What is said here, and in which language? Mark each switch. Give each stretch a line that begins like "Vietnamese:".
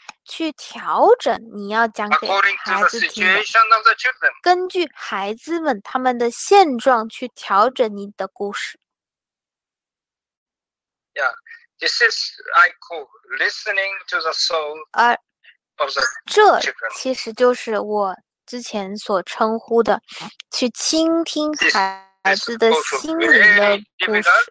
Chinese: 去调整你要讲给孩子听的，根据孩子们他们的现状去调整你的故事。
English: Yeah, this is I call listening to the soul of the children.
Chinese: 这其实就是我之前所称呼的，去倾听孩子的心灵的故事。